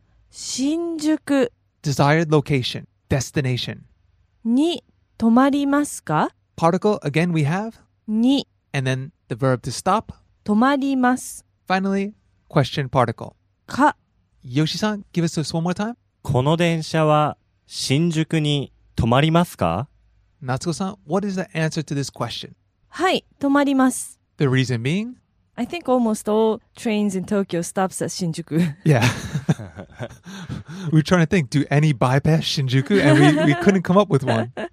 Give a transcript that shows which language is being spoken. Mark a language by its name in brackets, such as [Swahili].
[Japanese] 新宿. [English] Desired location, destination. [Japanese] に止まりますか? [English] Particle, again, we have [Japanese] に. [English] And then the verb to stop. [Japanese] 止まります. [English] Finally, question particle. [Japanese] か. [English] Yoshi-san, give us this one more time. [Japanese] この電車は新宿に止まりますか? [English] Natsuko-san, what is the answer to this question? [Japanese] はい、止まります. [English] The reason being? I think almost all trains in Tokyo stops at Shinjuku. Yeah. We're trying to think, do any bypass Shinjuku? And we couldn't come up with one.